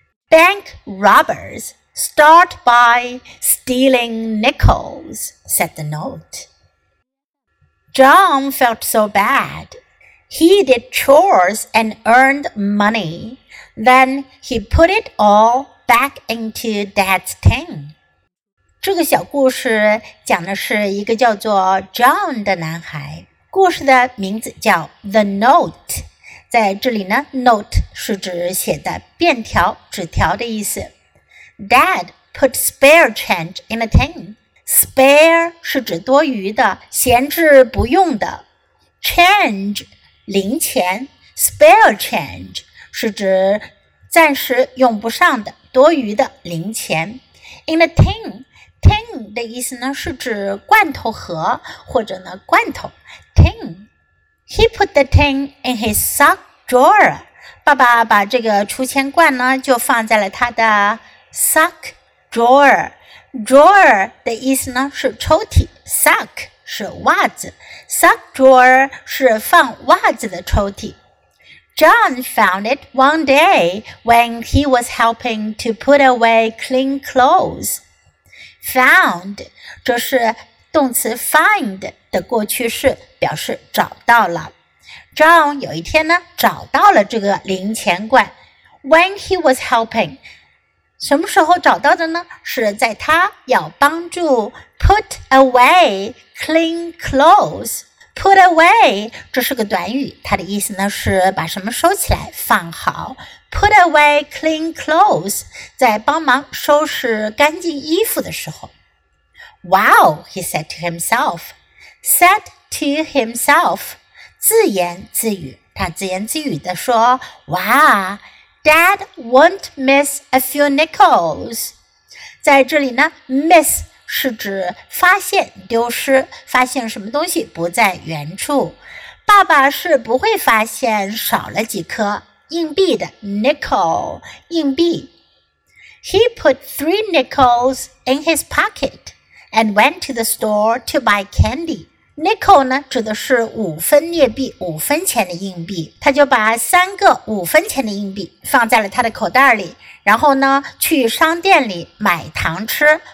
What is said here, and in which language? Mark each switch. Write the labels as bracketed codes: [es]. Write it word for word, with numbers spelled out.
[en] Bank robbers start by stealing nickels, said the note. John felt so bad. He did chores and earned money. Then he put it all back into Dad's tin. [zh] 这个小故事讲的是一个叫做 John 的男孩。故事的名字叫 [en] The Note。 [zh] 在这里呢 ,note 是指写的便条、纸条的意思。 [en] Dad put spare change in a tin. [zh] Spare 是指多余的、闲置不用的。 Change 零钱 ,spare change 是指暂时用不上的、多余的零钱。 In a tin,tin 的意思呢是指罐头盒或者呢罐头 tin。 [en] He put the tin in his sock drawer. [zh] 爸爸把这个储钱罐呢就放在了他的 sock drawer。 drawer 的意思呢是抽屉 ,sock 是袜子 ,sock drawer 是放袜子的抽屉。 [en] John found it one day when he was helping to put away clean clothes. [zh] Found 这是动词 find 的过去式，表示找到了。 John 有一天呢找到了这个零钱罐。 [en] When he was helping [zh] 什么时候找到的呢？是在他要帮助 [en] put away clean clothes。 [zh] Put away 这是个短语，它的意思呢是把什么收起来放好。 [en] Put away clean clothes [zh] 在帮忙收拾干净衣服的时候。 [en] Wow, he said to himself. Said to himself [zh] 自言自语，他自言自语地说，哇 [en] Dad won't miss a few nickels. [zh] 在这里呢 miss是指发现丢失，发现什么东西不在原处。爸爸是不会发现少了几颗硬币的 nickel 硬币。 [en] He put three nickels in his pocket and went to the store to buy candy. [zh] Nickel 呢指的是五分镍币，五分钱的硬币。他就把三个五分钱的硬币放在了他的口袋里，然后呢去商店里买糖吃。